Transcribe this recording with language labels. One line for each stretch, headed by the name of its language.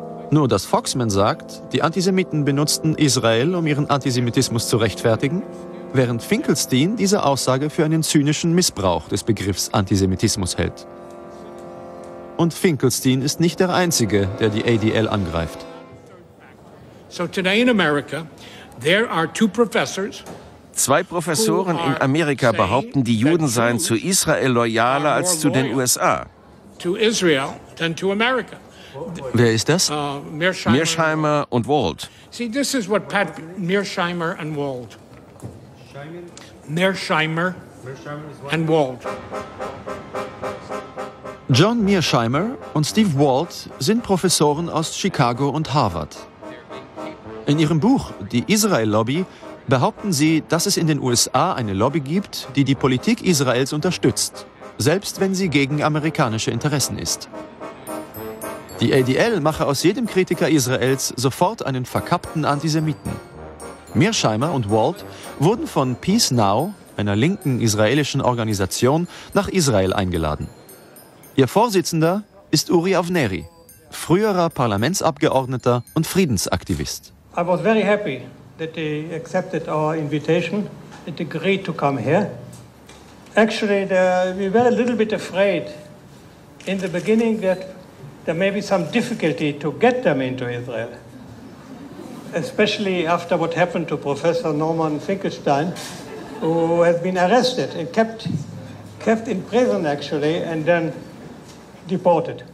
German: Nur, dass Foxman sagt, die Antisemiten benutzten Israel, um ihren Antisemitismus zu rechtfertigen, während Finkelstein diese Aussage für einen zynischen Missbrauch des Begriffs Antisemitismus hält. Und Finkelstein ist nicht der Einzige, der die ADL angreift.
English: So today in America, there are two professors.
German: Zwei Professoren in Amerika behaupten, die Juden seien zu Israel loyaler als zu den USA. Wer ist das? Mearsheimer und Wald.
English: See, this is what Pat Mearsheimer and Wald. Mearsheimer and Wald.
German: John Mearsheimer und Steve Wald sind Professoren aus Chicago und Harvard. In ihrem Buch Die Israel-Lobby behaupten Sie, dass es in den USA eine Lobby gibt, die die Politik Israels unterstützt, selbst wenn sie gegen amerikanische Interessen ist. Die ADL mache aus jedem Kritiker Israels sofort einen verkappten Antisemiten. Mearsheimer und Wald wurden von Peace Now, einer linken israelischen Organisation, nach Israel eingeladen. Ihr Vorsitzender ist Uri Avneri, früherer Parlamentsabgeordneter und Friedensaktivist.
English: I was very happy that they accepted our invitation, that they agreed to come here. Actually, we were a little bit afraid in the beginning that there may be some difficulty to get them into Israel, especially after what happened to Professor Norman Finkelstein, who has been arrested and kept in prison, actually, and then deported.